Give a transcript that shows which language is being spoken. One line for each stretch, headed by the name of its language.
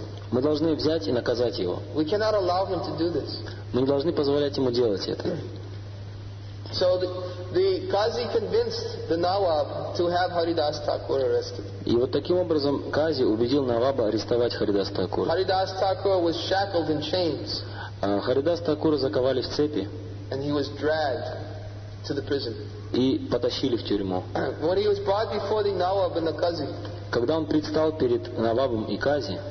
Russian: Мы должны взять и наказать его. Мы не должны позволять ему делать это.
English: So the qazi convinced the Nawab to have Haridas Thakur arrested.
Russian: И вот таким образом кази убедил Наваба арестовать Харидас Такура.
English: Haridas Thakur was shackled in chains.
Russian: Харидас Такура заковали в цепи.
English: And he was dragged to the prison.
Russian: И потащили в тюрьму.
English: When he was brought before the Nawab and the qazi,
Russian: когда он предстал перед Навабом и кази,